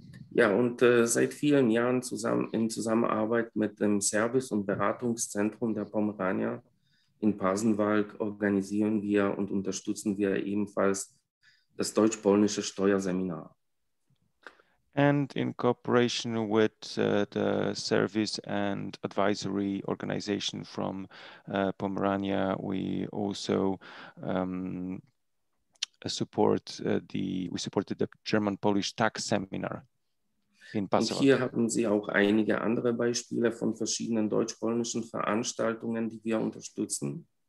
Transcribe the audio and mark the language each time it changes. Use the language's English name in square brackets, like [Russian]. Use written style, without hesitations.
[German] Ja, und seit vielen Jahren in Zusammenarbeit mit dem Service- und Beratungszentrum der Pomerania in Pasenwalk organisieren wir und unterstützen wir ebenfalls das deutsch-polnische Steuerseminar. [English] And in cooperation with the service and advisory organization from Pomerania, we also supported the German-Polish tax seminar in Passau. [German] Und hier haben Sie auch einige andere Beispiele von verschiedenen deutsch-polnischen Veranstaltungen, die wir unterstützen.